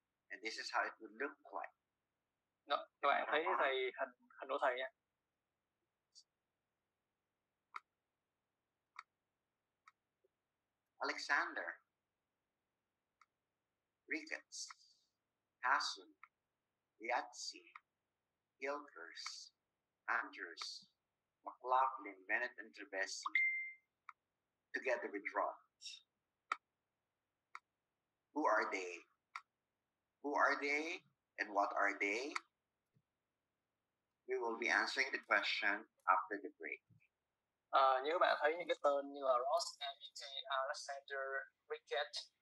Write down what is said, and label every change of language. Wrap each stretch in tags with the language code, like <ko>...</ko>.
<en>And this is how it would look like.</en> <vi>Đó, các bạn thấy thầy hình của thầy nha.</vi> <en>Alexander, Ricketts, Hassan, Yatsi, Hilkers, Andrews, McLaughlin, Bennett, and Trevesi, together with Roth. Who are they? Who are they and what are they? We will be answering the question after the break.</en> <vi>Như các bạn thấy những cái tên như là Ross, Andy, Alexander, Ricketts,</vi>